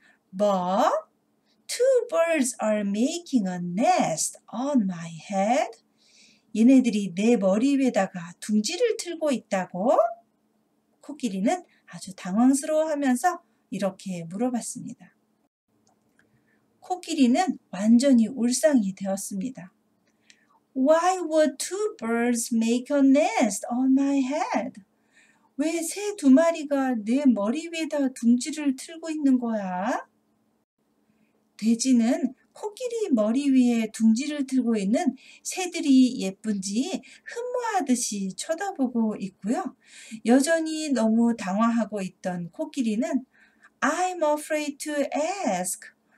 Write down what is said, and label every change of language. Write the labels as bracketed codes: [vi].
[ko] 뭐? [en] Two birds are making a nest on my head. [ko] 얘네들이 내 머리 위에다가 둥지를 틀고 있다고? 코끼리는 아주 당황스러워하면서 이렇게 물어봤습니다. 코끼리는 완전히 울상이 되었습니다. [en] Why would two birds make a nest on my head? [ko] 왜새두 마리가 내 머리 위에다 둥지를 틀고 있는 거야? 돼지는 코끼리 머리 위에 둥지를 틀고 있는 새들이 예쁜지 흠모하듯이 쳐다보고 있고요. 여전히 너무 당황하고 있던 코끼리는 [en] I'm afraid to ask.